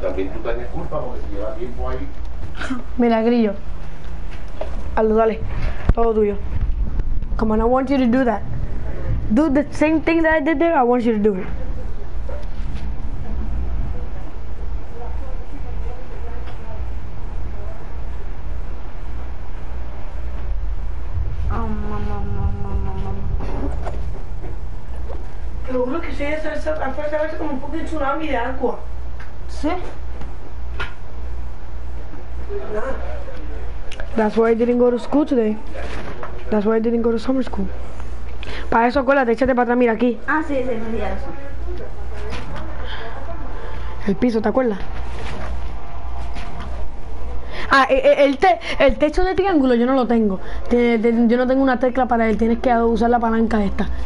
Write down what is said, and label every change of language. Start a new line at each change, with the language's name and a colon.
Spanish: También tú tenés culpa porque lleva tiempo ahí. Mira, grillo. Hazlo, dale. Todo tuyo.
English: Come on, I want you to do that. Do the same thing that I did there, I want you to do it.
Spanish: Oh, mamá. Te juro que si esa es la fuerza, a veces como un poquito de tsunami de agua. ¿Sí? Nada.
English: That's why I didn't go to school today. That's why I didn't go to summer school.
Spanish: Para eso, acuérdate, échate para atrás, mira aquí. Ah, sí, me di eso. El piso, ¿te acuerdas? Ah, el techo de triángulo yo no lo tengo. Yo no tengo una tecla para él. Tienes que usar la palanca esta.